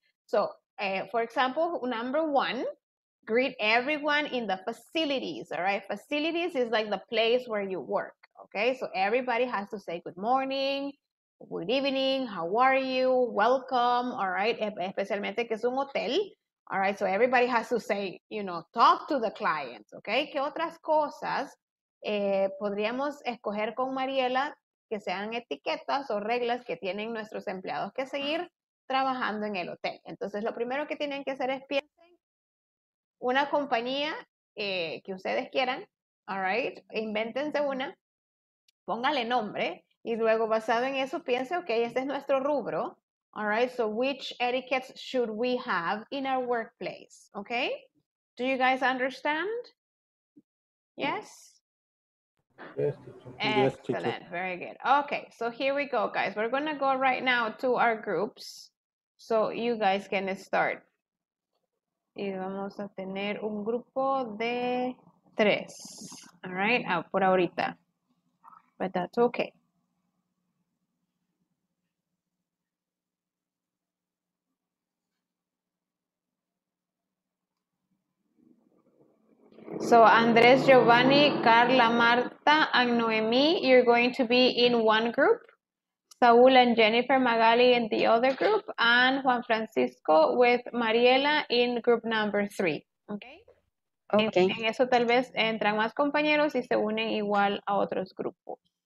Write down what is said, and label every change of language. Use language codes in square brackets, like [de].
[en] So, for example, number one, greet everyone in the facilities, all right? Facilities is like the place where you work, okay? So everybody has to say good morning, good evening, how are you, welcome, all right? [es] Especialmente que es un hotel, [en] all right? So everybody has to say, you know, talk to the clients, okay? [es] ¿Qué otras cosas podríamos escoger con Mariela que sean etiquetas o reglas que tienen nuestros empleados que seguir trabajando en el hotel? Entonces, lo primero que tienen que hacer es piensen una compañía que ustedes quieran, all right, invéntense una, póngale nombre, y luego basado en eso, piense, ok, este es nuestro rubro, all right, [en] so which etiquettes should we have in our workplace, [es] okay? [en] Do you guys understand? Yes? Yes, teacher. Excellent, yes, teacher. Very good. Okay, so here we go, guys. We're going to go right now to our groups. So you guys can start. [es] Y vamos a tener un grupo de tres. [en] All right, [es] por ahorita. [en] But that's okay. So Andres, Giovanni, Carla, Marta, and Noemi, you're going to be in one group. Saul and Jennifer Magali in the other group, and Juan Francisco with Mariela in group number 3. Okay. Okay. [es] En eso tal vez entran más compañeros y se unen igual a otros grupos.